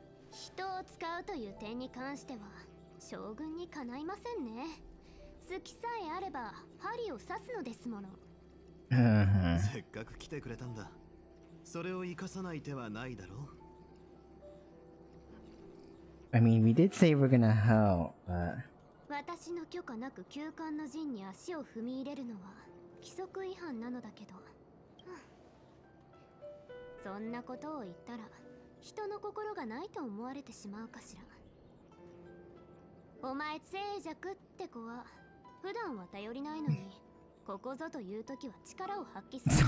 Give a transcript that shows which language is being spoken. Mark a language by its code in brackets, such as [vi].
[ja] 人を使うという点に関しては、将軍にかないませんね。隙さえあれば、針を刺すのですもの。せっかく来てくれたんだ。それを生かさない手はないだろう。 [en] I mean, we did say we're gonna help, but... [ja] 私の許可なく休館の陣に足を踏み入れるのは規則違反なのだけど、そんなことを言ったら人の心がないと思われてしまうかしら。お前静寂って子は普段は頼りないのに、ここぞという時は力を発揮する。